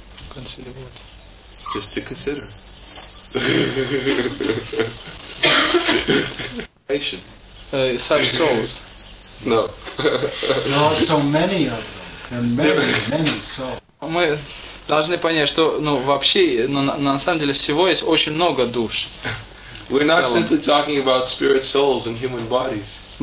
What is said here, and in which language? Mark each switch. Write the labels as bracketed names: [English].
[English] Consider what? Just to consider. Such souls. No. There are so many of them. And many souls. [Russian] Мы должны понять, что вообще, на самом деле всего есть очень много душ. [English] We're not simply talking about spirit souls and human bodies.